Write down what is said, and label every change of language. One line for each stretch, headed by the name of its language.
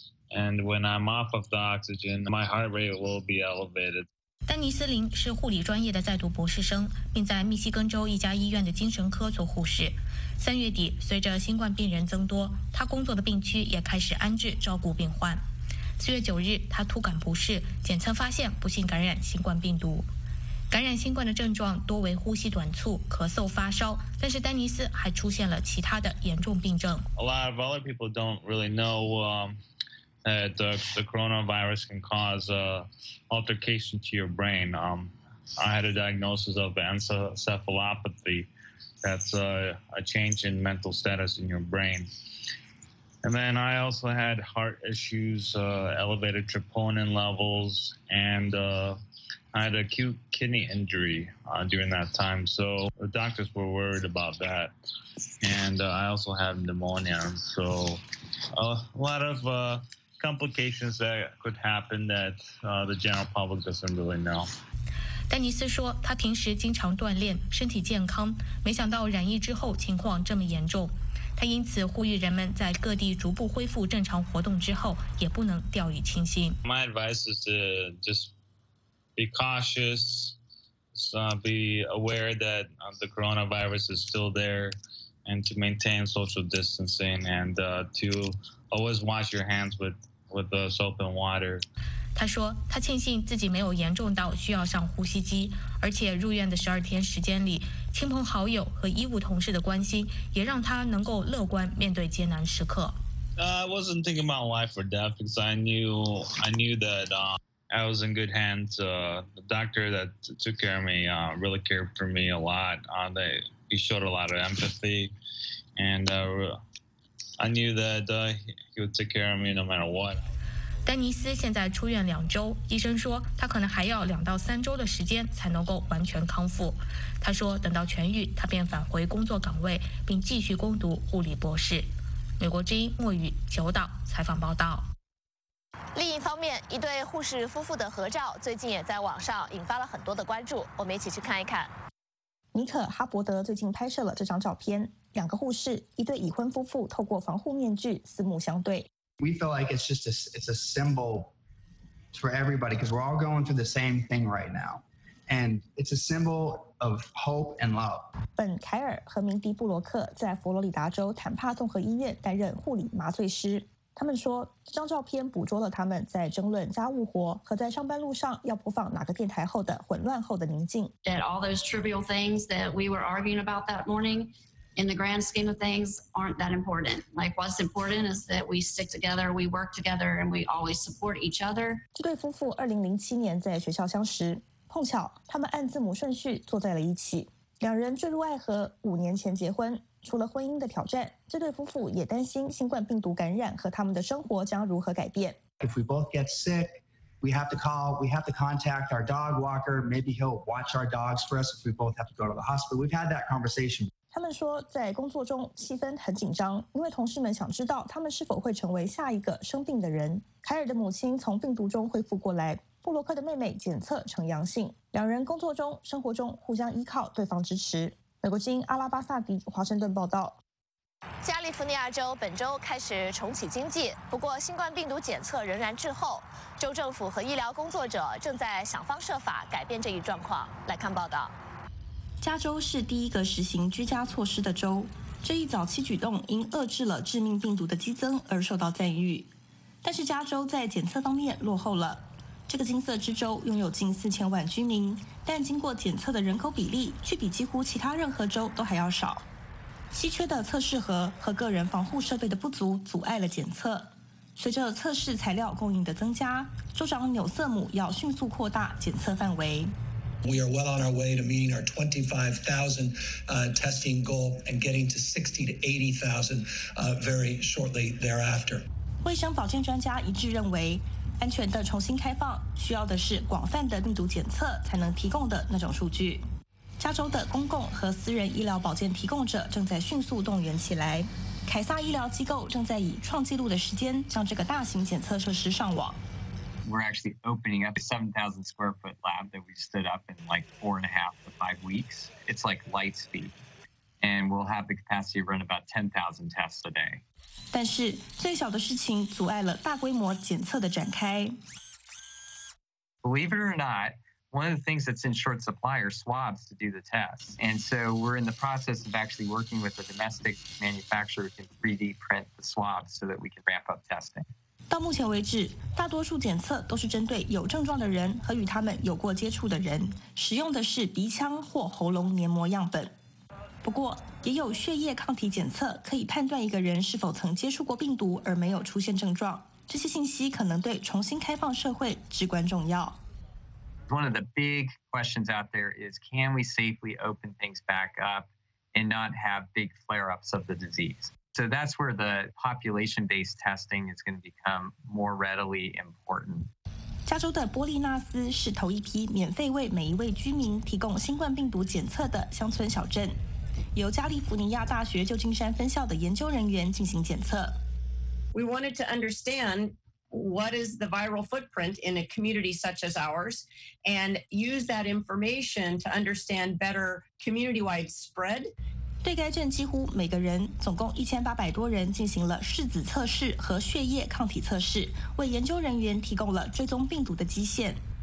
English: And when I'm off of the oxygen, my heart rate will be elevated.
Chinese: 丹尼斯林是护理专业的在读博士生，并在密西根州一家医院的精神科做护士。三月底，随着新冠病人增多，他工作的病区也开始安置照顾病患。 4月9日，他突感不适，检测发现不幸感染新冠病毒。感染新冠的症状多为呼吸短促、咳嗽、发烧，但是丹尼斯还出现了其他的严重病症。
English: A lot of other people don't really know that the coronavirus can cause altercation to your brain. I had a diagnosis of encephalopathy. That's a change in mental status in your brain. And then I also had heart issues, elevated troponin levels, and I had acute kidney injury during that time, so the doctors were worried about that. And I also had pneumonia, so a lot of complications that could happen that the general public doesn't really know.
Chinese: 丹尼斯说，他平时经常锻炼，身体健康，没想到染疫之后情况这么严重。他因此呼吁人们在各地逐步恢复正常活动之后，也不能掉以轻心。
English: My advice is to just be cautious, be aware that the coronavirus is still there, and to maintain social distancing and to always wash your hands with soap and water.
Chinese: 他说，他庆幸自己没有严重到需要上呼吸机，而且入院的12天时间里，亲朋好友和医务同事的关心也让他能够乐观面对艰难时刻。
English: I wasn't thinking about life or death because I knew that. I was in good hands. The doctor that took care of me really cared for me a lot. He showed a lot of empathy. And I knew that he would take care of me no matter what.
Chinese: 丹尼斯现在出院2周，医生说他可能还要2到3周的时间才能够完全康复。他说等到痊愈，他便返回工作岗位，并继续攻读护理博士。美国之音莫宇九岛采访报道。另一方面，一对护士夫妇的合照最近也在网上引发了很多的关注，我们一起去看一看。尼克·哈伯德最近拍摄了这张照片，两个护士，一对已婚夫妇透过防护面具四目相对。
English: We feel like it's a symbol for everybody because we're all going through the same thing right now, and it's a symbol of hope and love.
Chinese: 本·凯尔和明迪·布罗克在佛罗里达州坦帕综合医院担任护理麻醉师。他们说，这张照片捕捉了他们在争论家务活和在上班路上要播放哪个电台后的混乱后的宁静。
English: That all those trivial things that we were arguing about that morning, in the grand scheme of things, aren't that important. Like what's important is that we stick together, we work together, and we always support each other.
Chinese: 这对夫妇2007年在学校相识，碰巧他们按字母顺序坐在了一起，两人坠入爱河，5年前结婚。除了婚姻的挑战，这对夫妇也担心新冠病毒感染和他们的生活将如何改变。
English: If we both get sick, we have to contact our dog walker. Maybe he'll watch our dogs for us if we both have to go to the hospital. We've had that conversation.
Chinese: 他们说，在工作中气氛很紧张，因为同事们想知道他们是否会成为下一个生病的人。凯尔的母亲从病毒中恢复过来，布洛克的妹妹检测呈阳性，两人工作中、生活中互相依靠，对方支持。美国之音阿拉巴萨迪华盛顿报道。加利福尼亚州本周开始重启经济，不过新冠病毒检测仍然滞后，州政府和医疗工作者正在想方设法改变这一状况。来看报道。加州是第一个实行居家措施的州，这一早期举动因遏制了致命病毒的激增而受到赞誉，但是加州在检测方面落后了。这个金色之州拥有近4000万居民，但经过检测的人口比例却比几乎其他任何州都还要少。稀缺的测试盒和个人防护设备的不足阻碍了检测。随着测试材料供应的增加，州长纽瑟姆要迅速扩大检测范围。
English: We are well on our way to meeting our 25,000 testing goal and getting to 60,000 to 80,000 very shortly thereafter.
Chinese: 卫生保健专家一致认为，安全的重新开放，需要的是广泛的病毒检测才能提供的那种数据。加州的公共和私人医疗保健提供者正在迅速动员起来，凯撒医疗机构正在以创纪录的时间将这个大型检测设施上网。
English: We're actually opening up a 7,000 square foot lab that we stood up in like 4.5 to 5 weeks. It's like light speed. And we'll have the capacity to run about 10,000 tests a day.
Chinese: 但是最小的事情阻碍了大规模检测的展开。
English: Believe it or not, one of the things that's in short supply are swabs to do the tests. And so we're in the process of actually working with a domestic manufacturer to 3D print the swabs so that we can ramp up testing.
Chinese: 到目前为止，大多数检测都是针对有症状的人和与他们有过接触的人，使用的是鼻腔或喉咙黏膜样本。不过，也有血液抗体检测可以判断一个人是否曾接触过病毒而没有出现症状。这些信息可能对重新开放社会至关重要。
English: One of the big questions out there is, can we safely open things back up and not have big flare-ups of the disease? So that's where the population-based testing is going to become more readily important.
Chinese: 加州的波利纳斯是头一批免费为每一位居民提供新冠病毒检测的乡村小镇，由加利福尼亚大学旧金山分校的研究人员进行检测。
English: We wanted to understand what is the viral footprint in a community such as ours, and use that information to understand better community-wide spread.
Chinese: 对该镇几乎每个人，总共1800多人进行了拭子测试和血液抗体测试，为研究人员提供了追踪病毒的基线。